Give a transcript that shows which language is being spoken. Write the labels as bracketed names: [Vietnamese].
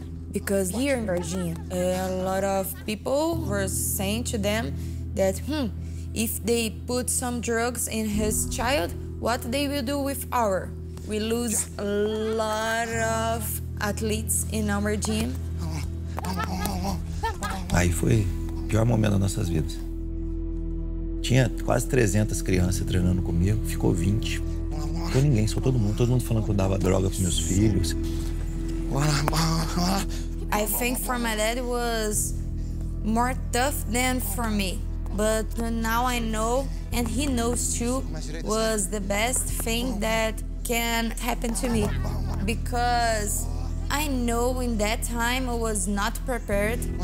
[English] Because here in Virginia, a lot of people were saying to them that, if they put some drugs in his child, what they will do with our? We lose a lot of athletes in our gym. [Portuguese] Aí foi o pior momento das nossas vidas. Tinha quase 300 crianças treinando comigo, ficou 20. Não foi ninguém, só todo mundo falando que eu dava droga pros meus filhos. [English] I think for my dad was more tough than for me. But now I know, and he knows too, was the best thing that can happen to me. Because I know in that time I was not prepared.